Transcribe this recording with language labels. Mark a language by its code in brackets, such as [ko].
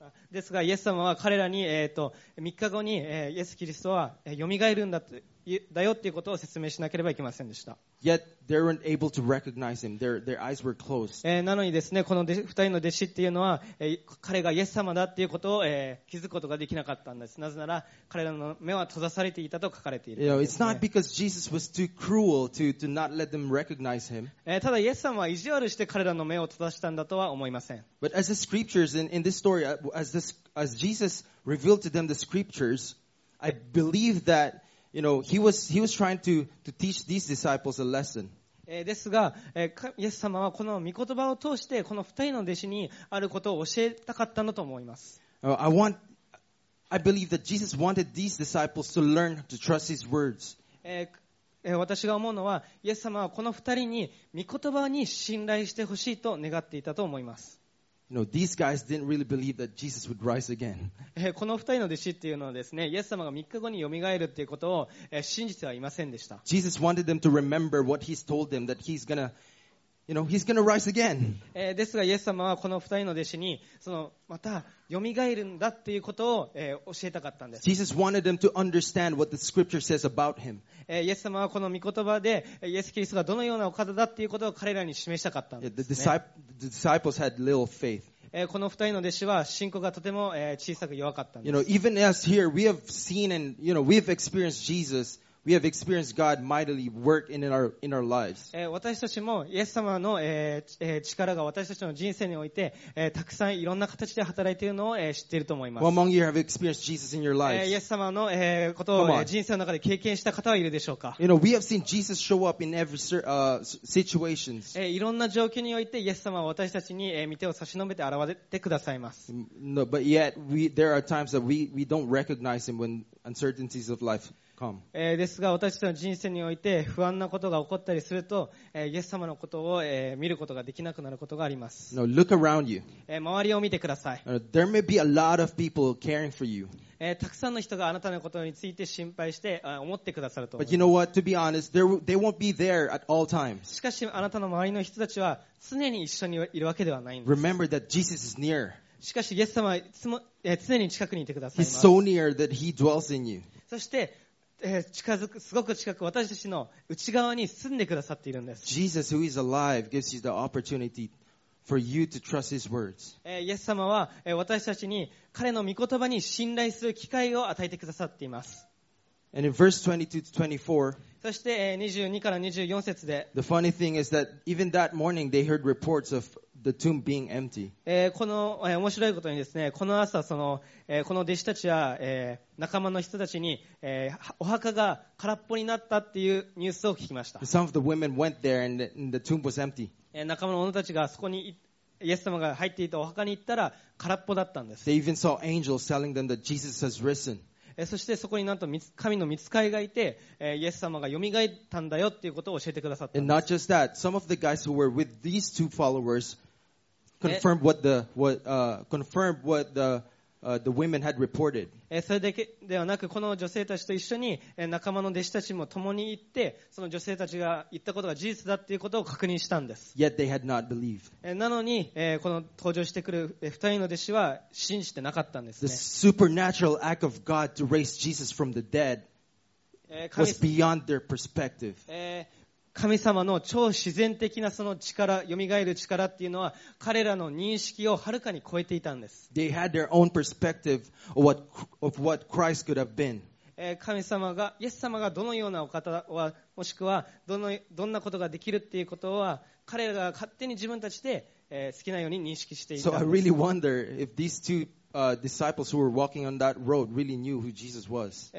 [ja] ですが、イエス様は彼らに3日後にイエス・キリストは蘇るんだと。だよっていうことを説明しなければいけませんでした。 [en] Yet they weren't able to recognize him. Their eyes were closed. [ja] なのにですね、この二人の弟子っていうのは、彼がイエス様だっていうことを、気づくことができなかったんです。なぜなら彼らの目は閉ざされていたと書かれているんです、ね。 [en] You know, it's not because Jesus was too cruel to not let them recognize him. [ja] ただイエス様は意地悪して彼らの目を閉ざしたんだとは思いません。 [en] But as the scriptures in this story, as Jesus revealed to them the scriptures, I believe that. You know, he was trying to teach these disciples a lesson. [ja] ですが、イエス様はこの御言葉を通してこの二人の弟子にあることを教えたかったのと思います。 [en] I believe that Jesus wanted these disciples to learn to trust his words. [ja] 私が思うのは、イエス様はこの二人に御言葉に信頼してほしいと願っていたと思います。 [en] You know, these guys didn't really believe that Jesus would rise again. [ja] この二人の弟子っていうのはですね、イエス様が三日後によみがえるっていうことを信じてはいませんでした。 [en] Jesus wanted them to remember what he's told them, that he's gonna You know, he's gonna rise again. [ja] ですが、イエス様はこの二人の弟子にそのまた蘇るんだっていうことを教えたかったんです。 [en] Jesus wanted them to understand what the scripture says about him. [ja] イエス様はこの御言葉でイエスキリストがどのようなお方だっていうことを彼らに示したかったんですね。 [en] The disciples had little faith. [ja] この二人の弟子は信仰がとても小さく弱かったんです。 [en] You know, even as here, we have seen and, you know, we have experienced Jesus. We have experienced God mightily work in our lives. [ja] 私たちもイエス様の力が私たちの人生においてたくさんいろんな形で働いているのを知っていると思います。 [en] How many of you have experienced Jesus in your lives? [ja] イエス様のことを人生の中で経験した方はいるでしょうか。 [en] You know, we have seen Jesus show up in every situations. [ja] いろんな状況においてイエス様は私たちに見手を差し伸べて現れてくださいます。 [en] No, but yet there are times that we don't recognize him when uncertainties of life. [ja] ですが私たちの人生において不安なことが起こったりするとイエス様のことを見ることができなくなることがあります。 [en] No, look around you. [ja] 周りを見てください。 [en] There may be a lot of people caring for you. [ja] たくさんの人があなたのことについて心配して思ってくださると思います。 [en] But you know what? To be honest, they won't be there at all times. [ja] しかしあなたの周りの人たちは常に一緒にいるわけではないんです。 [en] Remember that Jesus is near. [ja] しかしイエス様はいつも常に近くにいてくださいます。 [en] He's so near that he dwells in you. [ja] そして近づくすごく近く私たちの内側に住んでくださっているんです。 [en] Jesus who is alive gives you the opportunity for you to trust his words. [ja] イエス様は私たちに彼の御言葉に信頼する機会を与えてくださっています。 [en] And in verse 22 to 24, [ja] そして22から24節で [en] The funny thing is that even that morning they heard reports ofThe tomb being empty. [ja] この面白いことにですね、この朝その、この弟子たちは、仲間の人たちに、お墓が空っぽになったっていうニュースを聞きました。 [en] Some of the women went there and the tomb was empty. [ja] 仲間の女たちがそこにイエス様が入っていたお墓に行ったら空っぽだったんです。 [en] They even saw angels telling them that Jesus has risen. [ja] そしてそこになんと神の御使いがいて、イエス様が蘇ったんだよっていうことを教えてくださったんです。 [en] And not just that, some of the guys who were with these two followers confirmed what the, the women had reported. [ja] それだけではなく、この女性たちと一緒に仲間の弟子たちも共に行って、その女性たちが言ったことが事実だっていうことを確認したんです。 [en] Yet they had not believed. [ja] なのに、この登場してくる二人の弟子は信じてなかったんですね。 [en] The supernatural act of God to raise Jesus from the dead was beyond their perspective. [ja] 神様の超自然的なその力、蘇る力っていうのは彼らの認識をはるかに超えていたんです。 [en] They had their own perspective of what Christ could have been. [ja] 神様が、イエス様がどのようなお方は、もしくはどんなことができるっていうことは彼らが勝手に自分たちで好きなように認識していたんです。 [en] So I really wonder if these two disciples who were walking on that road really knew who Jesus was.